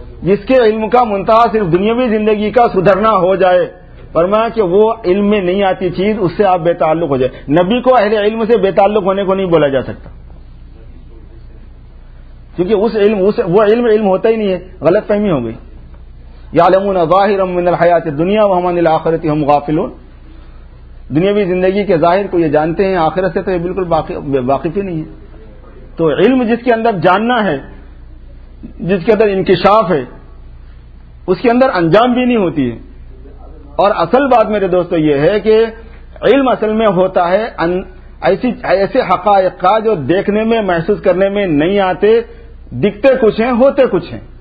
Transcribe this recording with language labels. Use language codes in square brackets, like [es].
[ur] جس کے علم کا منتہا صرف دنیاوی زندگی کا سدھرنا ہو جائے, فرمایا کہ وہ علم میں نہیں آتی چیز, اس سے آپ بے تعلق ہو جائے. نبی کو اہل علم سے بے تعلق ہونے کو نہیں بولا جا سکتا, کیونکہ وہ علم ہوتا ہی نہیں ہے. غلط فہمی ہو گئی. [ar] یعلمون ظاہرا من الحیات الدنیا وهم عن الآخرۃ هم غافلون. [ur] دنیاوی زندگی کے ظاہر کو یہ جانتے ہیں, آخرت سے تو یہ بالکل واقف ہی نہیں ہے. تو علم جس کے اندر جاننا ہے, جس کے اندر انکشاف ہے, اس کے اندر انجام بھی نہیں ہوتی ہے. اور اصل بات میرے دوستو یہ ہے کہ علم اصل میں ہوتا ہے ایسے حقائق کا جو دیکھنے میں, محسوس کرنے میں نہیں آتے, دکھتے کچھ ہیں, ہوتے کچھ ہیں.